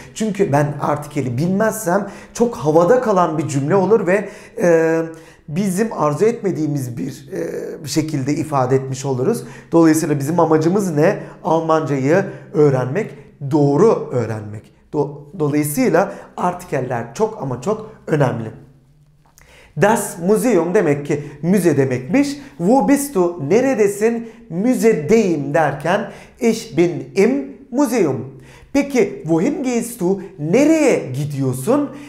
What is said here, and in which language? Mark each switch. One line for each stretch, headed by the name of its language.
Turkish: Çünkü ben artikeli bilmezsem çok havada kalan bir cümle olur ve bizim arzu etmediğimiz bir şekilde ifade etmiş oluruz. Dolayısıyla bizim amacımız ne? Almancayı öğrenmek, doğru öğrenmek. Dolayısıyla artikeller çok ama çok önemli.
German: Das Museum
Turkish: demek ki müze demekmiş.
German: Wo bist du,
Turkish: neredesin? Müzedeyim derken
German: Ich bin im Museum.
Turkish: Peki
German: wohin gehst du,
Turkish: nereye gidiyorsun?